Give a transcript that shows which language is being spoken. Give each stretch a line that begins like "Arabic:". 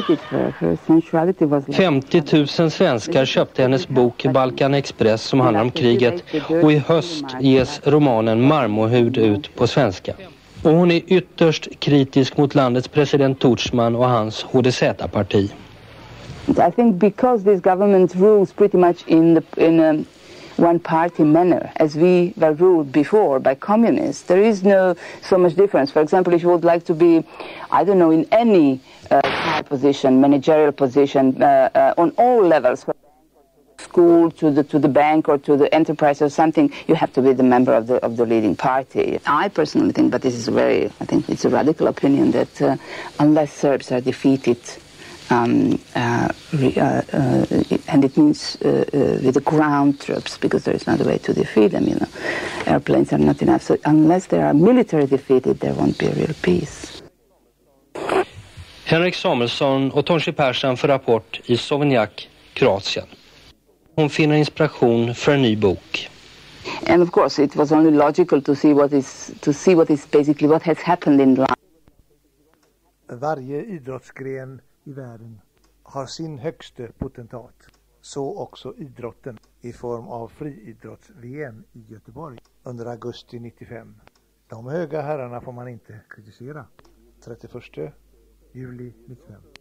Swedish: 50 000 svenskar köpte hennes bok Balkan Express som handlar om kriget och i höst ges romanen Marmorhud ut på svenska. Och hon är ytterst kritisk mot landets president Tudjman och hans HDZ-parti.
English: I think because this government rules pretty much in a one party manner as we were ruled before by communists, there is no so much difference. For example, if you would like to be, I don't know, in any high position, managerial position, on all levels, from school to the bank or to the enterprise or something, you have to be the member of the leading party. I personally think, but this is I think it's a radical opinion, that unless Serbs are defeated and it means with the ground troops, because there is no way to defeat them, you know. Airplanes are not enough. So unless they are military defeated, there won't be a real peace.
Swedish: Henrik Samuelsson och Tonci Persson för Rapport i Sovenjak, Kroatien. Hon finner inspiration för en ny bok.
English: And of course, it was only logical to see what has happened in life.
Swedish: Varje idrottsgren i världen har sin högste potentat, så också idrotten i form av friidrotts-VM i Göteborg under augusti 95. De höga herrarna får man inte kritisera. 31 juli 95.